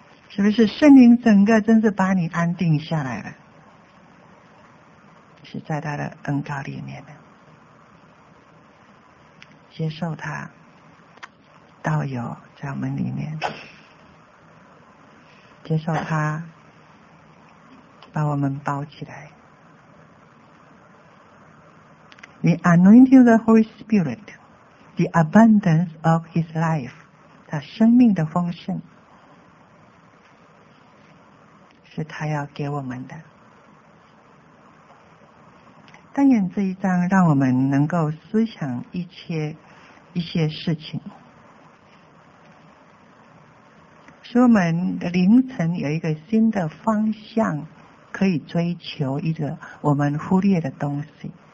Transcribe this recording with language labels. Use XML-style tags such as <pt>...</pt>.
<zh>是不是圣灵整个真是把你安定下来了，是在他的恩膏里面的，接受他道友在我们里面，接受他把我们包起来。</zh> <en>The anointing of the Holy Spirit, the abundance of his life,</en> <zh>他生命的丰盛是他要给我们的。但愿这一章让我们能够思想一些事情，使我们的凌晨有一个新的方向可以追求一个我们忽略的东西。</zh>